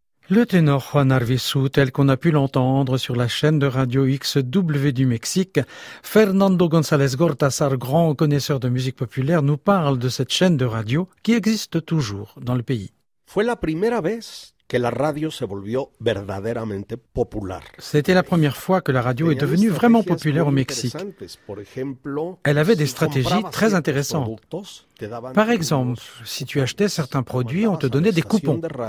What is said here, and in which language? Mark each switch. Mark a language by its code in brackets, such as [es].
[fr] Le ténor Juan Arvizu, tel qu'on a pu l'entendre sur la chaîne de radio XW du Mexique, Fernando González Gortázar, grand connaisseur de musique populaire, nous parle de cette chaîne de radio qui existe toujours dans le pays. [es] Fue la primera vez que la radio se volvió verdaderamente popular. [fr] C'était la première fois que la radio est devenue vraiment populaire au Mexique. Elle avait des stratégies très intéressantes. Par exemple, si tu achetais certains produits, on te donnait des coupons.